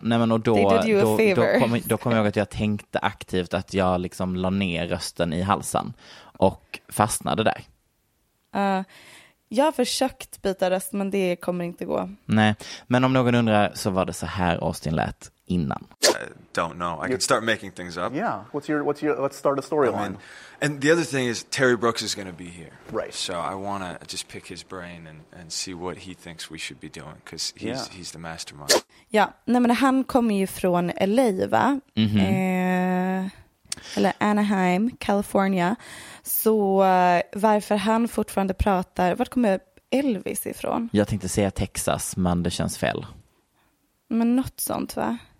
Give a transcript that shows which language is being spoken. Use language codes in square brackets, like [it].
[sv] Nej, men och då kom jag ihåg att jag tänkte aktivt att jag liksom la ner rösten i halsen och fastnade där. Jag har försökt byta röst, men det kommer inte gå. Nej, men om någon undrar så var det så här Austin lät innan. [en] I don't know. I could start making things up. Yeah. What's your let's start a storyline. And the other thing is Terry Brooks is going to be here. Right. So I want to just pick his brain and see what he thinks we should be doing, because he's the mastermind. [sv] Ja, nej, men han kommer ju från LA, va? Mm-hmm. Eller Anaheim, California. Så varför han fortfarande pratar, vart kommer Elvis ifrån? Jag tänkte säga Texas, men det känns fel. Men något sånt, va?